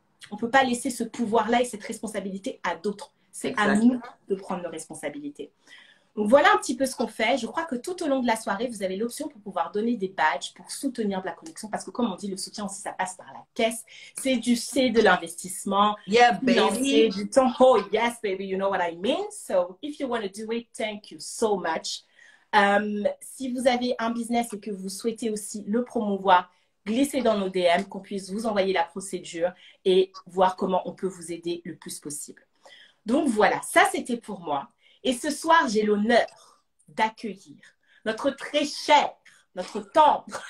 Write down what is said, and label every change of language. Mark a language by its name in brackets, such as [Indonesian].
[French] On ne peut pas laisser ce pouvoir-là et cette responsabilité à d'autres. C'est à nous de prendre nos responsabilités. Donc voilà un petit peu ce qu'on fait. Je crois que tout au long de la soirée, vous avez l'option pour pouvoir donner des badges pour soutenir Black Connection. Parce que comme on dit, le soutien aussi, ça passe par la caisse. C'est du C, de l'investissement. [English] Yeah, baby. Non, [French] c'est du temps. [English] Oh, yes, baby, you know what I mean. So, if you want to do it, thank you so much. [French] Si vous avez un business et que vous souhaitez aussi le promouvoir, glissez dans nos DM, qu'on puisse vous envoyer la procédure et voir comment on peut vous aider le plus possible. Donc voilà, ça c'était pour moi. Et ce soir, j'ai l'honneur d'accueillir notre très chère, notre tendre.